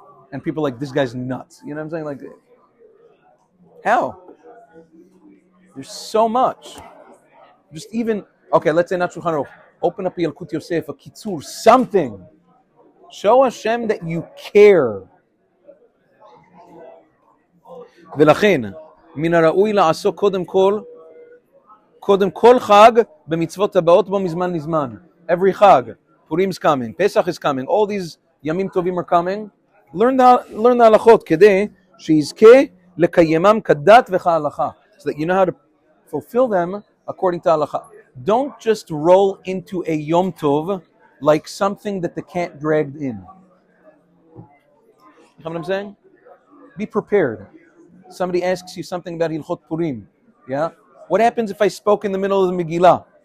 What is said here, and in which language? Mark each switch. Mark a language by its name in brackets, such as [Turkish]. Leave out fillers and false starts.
[English] And people are like, this guy's nuts. You know what I'm saying? Like, how? There's so much. Just even, okay, let's say not Shulchan Aruch. Open up a Yalkut Yosef, a Kitzur, something. Show Hashem that you care. [Hebrew] ולכן, מן הראוי לעסוק קודם כל חג במצוות הבאות בו מזמן לזמן. [English] Every חג. Purim is coming. Pesach is coming. All these ימים טובים are coming. Learn the [Hebrew] הלכות כדי שיזכה לקיימם כדת וכהלכה. [English] So that you know how to fulfill them according to halakha. Don't just roll into a Yom Tov like something that the cat dragged in. You know what I'm saying? Be prepared. Somebody asks you something about Hilchot Purim. Yeah? What happens if I spoke in the middle of the Megillah?